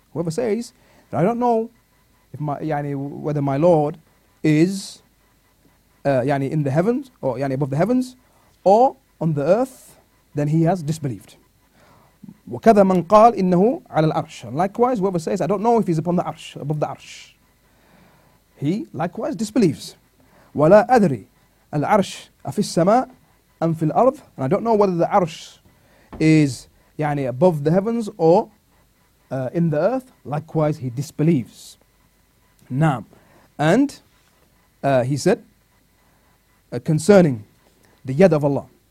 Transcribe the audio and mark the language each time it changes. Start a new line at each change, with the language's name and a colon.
English: Whoever says that I don't know if my يعني whether my Lord is يعني in the heavens or يعني above the heavens or on the earth, then he has disbelieved.
Arabic: وكذا من قال إنه على الأرش.
English: And likewise, whoever says I don't know if he's upon the arsh, above the arsh, he likewise disbelieves.
Arabic: ولا أدري العرش أفي السماء أم في الأرض.
English: And I don't know whether the arsh is يعني above the heavens or in the earth. Likewise, he disbelieves. نعم. And he said concerning the yad of Allah.